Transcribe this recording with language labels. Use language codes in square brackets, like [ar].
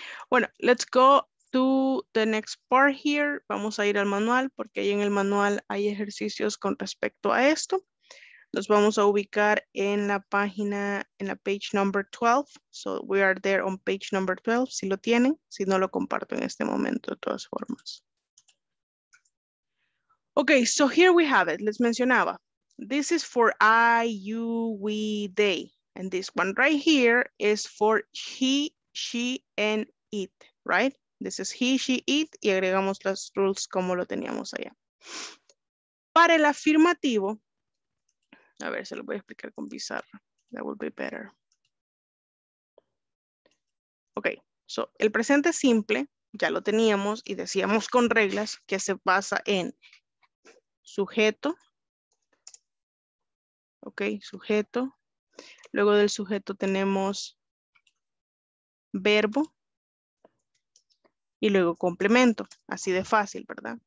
[en] Bueno, let's go to the next part here. [es] Vamos a ir al manual porque ahí en el manual hay ejercicios con respecto a esto. Nos vamos a ubicar en la página, en la [en] page number 12. So we are there on page number 12. [es] Si lo tienen, si no, lo comparto en este momento de todas formas. [en] Okay, so here we have it. [es] Les mencionaba. [en] This is for I, you, we, they. And this one right here is for he, she, and it, right? This is he, she, it, [es] y agregamos las rules como lo teníamos allá. Para el afirmativo, a ver, se lo voy a explicar con pizarra. [en] That would be better. [es] Okay, so el presente simple, ya lo teníamos y decíamos con reglas que se basa en sujeto, ok, sujeto, luego del sujeto tenemos verbo y luego complemento, así de fácil, ¿verdad?